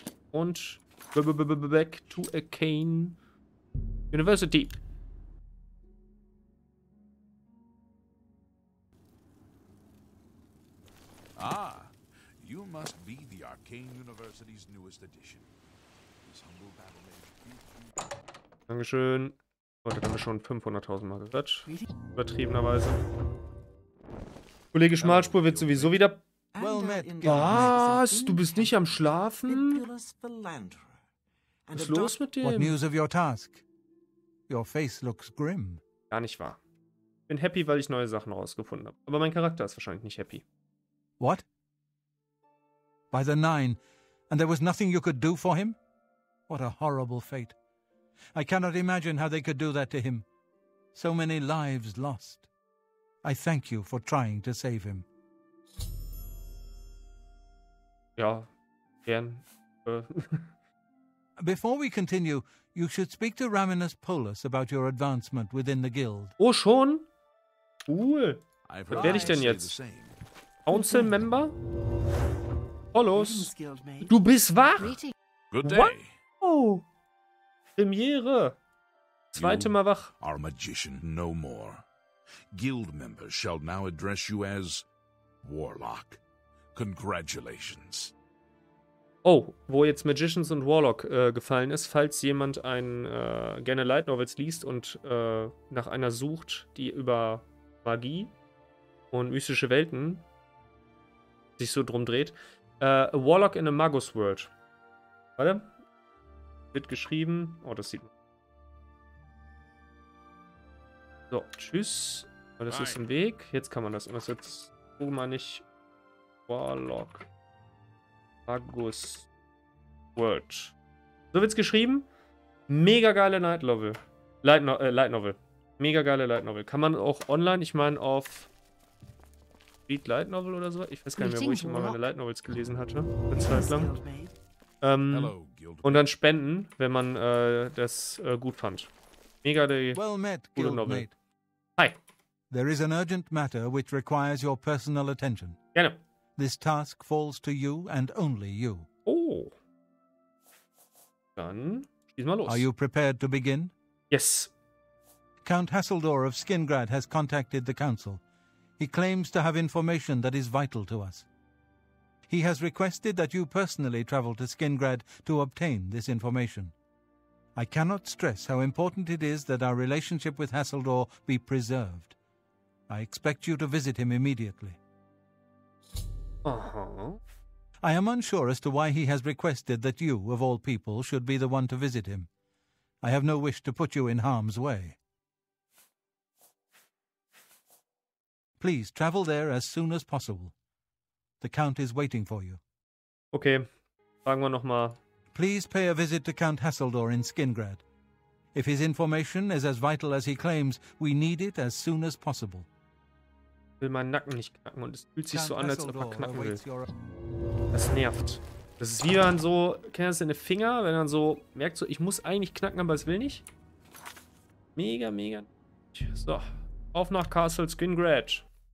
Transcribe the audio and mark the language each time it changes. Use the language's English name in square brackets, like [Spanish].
[German] Und back to Arcane University. [English] Ah, you must be the Arcane University's newest edition. This humble battle [German] age. Dankeschön. Heute haben wir schon 500.000 Mal gehört. Übertriebenerweise. Kollege Schmalspur wird sowieso wieder... Was? Du bist nicht am Schlafen? Was ist los mit dem? [English] What news of your task? Your face looks grim. [German] Gar nicht wahr. Bin happy, weil ich neue Sachen rausgefunden habe. Aber mein Charakter ist wahrscheinlich nicht happy. [English] What? By the Nine? And there was nothing you could do for him? What a horrible fate. I cannot imagine how they could do that to him. So many lives lost. I thank you for trying to save him. [German] Ja, gern. [English] Before we continue, you should speak to Raminus Polus about your advancement within the guild. [German] Oh, schon? Cool. Was werde ich denn jetzt? Council Member? Polus, du bist wach? [English] Good day. [German] Oh. Premiere. Zweite Mal wach. [English] You are a magician no more. Guild members shall now address you as Warlock. Congratulations. [German] Oh, wo jetzt Magicians und Warlock gefallen ist, falls jemand ein gerne Light Novels liest und nach einer sucht, die über Magie und mystische Welten sich so drum dreht. [English] A Warlock in a Magus World. [German] Warte. Wird geschrieben. Oh, das sieht man. So, tschüss. Oh, das ist ein Weg. Jetzt kann man das. Was jetzt? Guck mal nicht. Warlock. Magus World. So wird's geschrieben. Mega geile Night Novel. Light Novel. Mega geile Light Novel. Kann man auch online, ich meine auf Read Light Novel oder so. Ich weiß gar nicht mehr, wo ich immer meine Light Novels gelesen hatte. Eine Zeit lang. Und dann spenden, wenn man das gut fand. Mega die [English] well met, [German] gute [English] Guild [German] Novel. [English] Mate. Hi. There is an urgent matter which requires your personal attention. [German] Gerne. [English] This task falls to you and only you. [German] Oh. Dann schieß mal los. [English] Are you prepared to begin? Yes. Count Hasseldor of Skingrad has contacted the council. He claims to have information that is vital to us. He has requested that you personally travel to Skingrad to obtain this information. I cannot stress how important it is that our relationship with Hasseldor be preserved. I expect you to visit him immediately. Uh-huh. I am unsure as to why he has requested that you, of all people, should be the one to visit him. I have no wish to put you in harm's way. Please travel there as soon as possible. The Count is waiting for you. [German] Okay, fragen wir nochmal. [English] Please pay a visit to Count Hasseldor in Skingrad. If his information is as vital as he claims, we need it as soon as possible. [German] Ich will meinen Nacken nicht knacken und es fühlt sich so an, als ob er knacken will. Das nervt. Das ist wie dann so, kennt ihr das in den Finger, wenn man so merkt, so, ich muss eigentlich knacken, aber es will nicht. Mega, mega. So, auf nach Castle Skingrad.